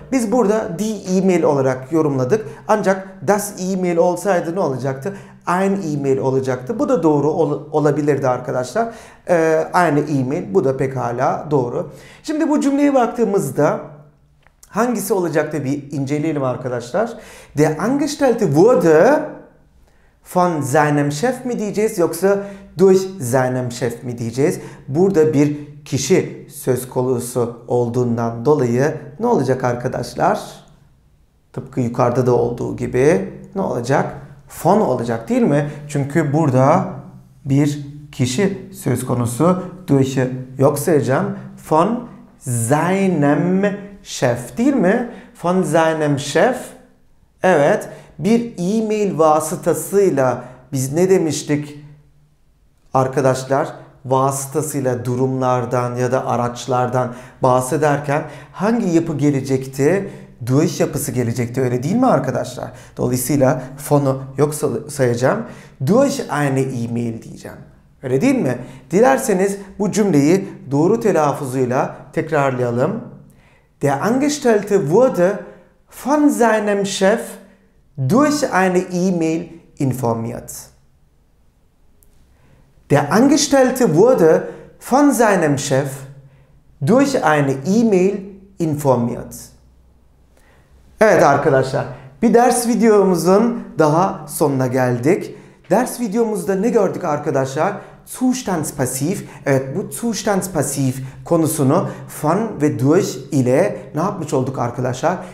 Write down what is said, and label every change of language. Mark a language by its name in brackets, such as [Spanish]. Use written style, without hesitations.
[Turkish] Biz burada [German] die e-mail [Turkish] olarak yorumladık. Ancak [German] das e-mail [Turkish] olsaydı ne olacaktı? [German] Ein e-mail [Turkish] olacaktı. Bu da doğru olabilirdi arkadaşlar. [German] Ein e-mail, [Turkish] bu da pekala doğru. Şimdi bu cümleye baktığımızda hangisi olacaktı bir inceleyelim arkadaşlar. [German] Der Angestellte wurde von seinem Chef [Turkish] mi diyeceğiz yoksa [German] durch seinem Chef [Turkish] mi diyeceğiz? Burada bir kişi söz konusu olduğundan dolayı ne olacak arkadaşlar? Tıpkı yukarıda da olduğu gibi ne olacak? Von olacak değil mi? Çünkü burada bir kişi söz konusu, durch'ı yok sayacağım. [German] Von seinem Chef [Turkish] değil mi? [German] Von seinem Chef. [Turkish] Evet, bir e-mail vasıtasıyla biz ne demiştik? Arkadaşlar, vasıtasıyla durumlardan ya da araçlardan bahsederken hangi yapı gelecekti? Durch yapısı gelecekti, öyle değil mi arkadaşlar? Dolayısıyla von'u yok sayacağım. [German] Durch eine E-Mail [Turkish] diyeceğim. Öyle değil mi? Dilerseniz bu cümleyi doğru telaffuzuyla tekrarlayalım. [German] Der Angestellte wurde von seinem Chef durch eine E-Mail informiert. Der Angestellte wurde von seinem Chef durch eine E-Mail informiert. [Turkish] Evet arkadaşlar, bir ders videomuzun daha sonuna geldik. Ders videomuzda ne gördük arkadaşlar? Zustandspassiv. Evet, bu Zustandspassiv konusunu von ve durch ile ne yapmış olduk arkadaşlar?